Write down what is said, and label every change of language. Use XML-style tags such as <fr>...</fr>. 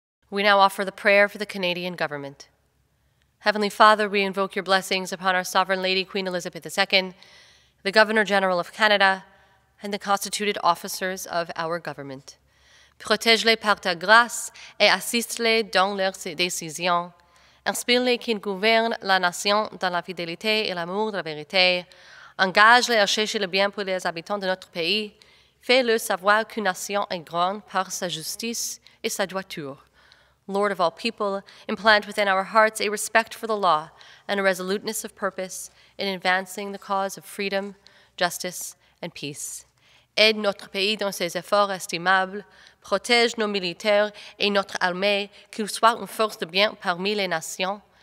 <en>We now offer the prayer for the Canadian government. Heavenly Father, we invoke your blessings upon our Sovereign Lady Queen Elizabeth II, the Governor General of Canada, and the constituted officers of our government.</en> <fr>Protège-les par ta grâce et assiste-les dans leurs décisions. Inspire-les qu'ils gouvernent la nation dans la fidélité et l'amour de la vérité. Engage-les à chercher le bien pour les habitants de notre pays. Fais-le savoir qu'une nation est grande par sa justice et sa droiture.</fr> <en>Lord of all people, implant within our hearts a respect for the law and a resoluteness of purpose in advancing the cause of freedom, justice, and peace.</en> <fr>Aide notre pays dans ses efforts estimables. Protège nos militaires et notre armée, qu'ils soient une force de bien parmi les nations.</fr>